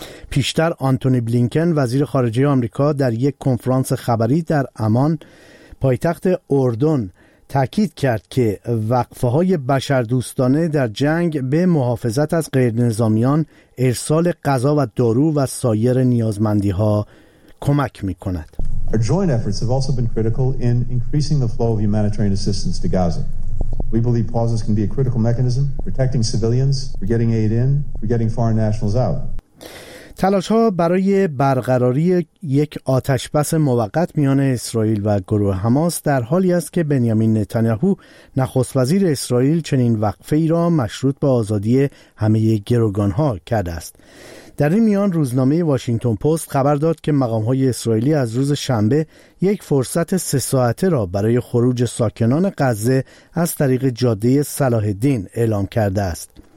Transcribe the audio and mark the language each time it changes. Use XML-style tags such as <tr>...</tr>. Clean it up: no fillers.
<fa>پیشتر آنتونی بلینکن وزیر خارجه آمریکا در یک کنفرانس خبری در عمان پایتخت اردن تأکید کرد که وقفه‌های بشردوستانه در جنگ به محافظت از غیرنظامیان، ارسال غذا و دارو و سایر نیازمندی‌ها کمک می‌کند.</fa> <en>Our joint efforts have also been critical in increasing the flow of humanitarian assistance to Gaza. We believe pauses can be a critical mechanism for protecting civilians, for getting aid in, for getting foreign nationals out.</en> <fa>تلاش‌ها برای برقراری یک آتش‌بس موقت میان اسرائیل و گروه حماس در حالی است که بنیامین نتانیاهو نخست‌وزیر اسرائیل چنین وقفه‌ای را مشروط به آزادی همه گروگان‌ها کرده است. در این میان روزنامه واشنگتن پست خبر داد که مقام‌های اسرائیلی از روز شنبه یک فرصت 3 ساعته را برای خروج ساکنان غزه از طریق جاده صلاح الدین اعلام کرده است.</fa>